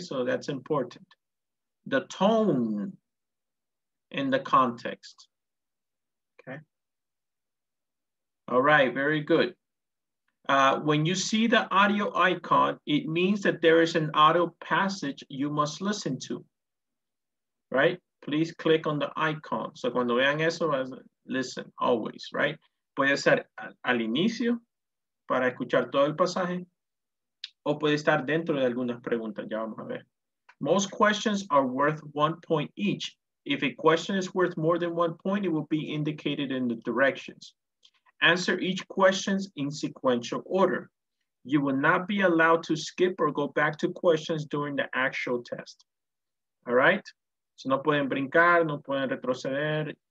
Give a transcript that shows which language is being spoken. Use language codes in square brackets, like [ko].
[en] So that's important. The tone and the context. All right, very good. When you see the audio icon, it means that there is an audio passage you must listen to, right? Please click on the icon. So [es] cuando vean eso, [en] listen always, right? [es] Puede ser al inicio para escuchar todo el pasaje o puede estar dentro de algunas preguntas, ya vamos a ver. [en] Most questions are worth 1 point each. If a question is worth more than 1 point, it will be indicated in the directions. Answer each question in sequential order. You will not be allowed to skip or go back to questions during the actual test. All right? So [es] no pueden brincar, no pueden retroceder.